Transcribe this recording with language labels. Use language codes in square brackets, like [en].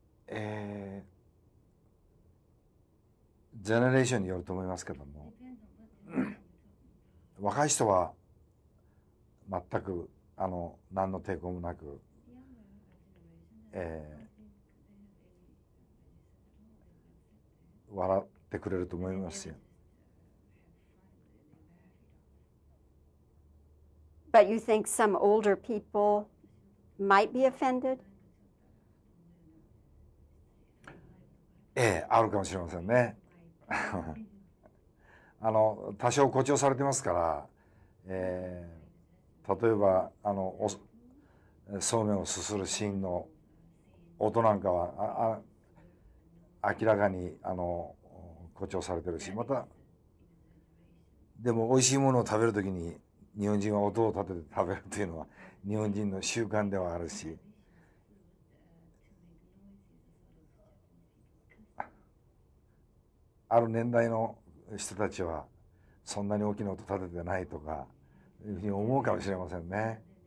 [ja] ジェネレーションによると思いますけども、若い人は全く。あの何の抵抗もなく、笑ってくれると思いますよ。 [en] But you think some older people might be offended? [ja] あるかもしれませんね。あの多少誇張されてますから。例えばあのそうめんをすするシーンの音なんかは明らかに誇張されてるし、またでも美味しいものを食べるときに日本人は音を立てて食べるというのは日本人の習慣ではあるし、ある年代の人たちはそんなに大きな音立ててないとかいうふうに思うかもしれませんね。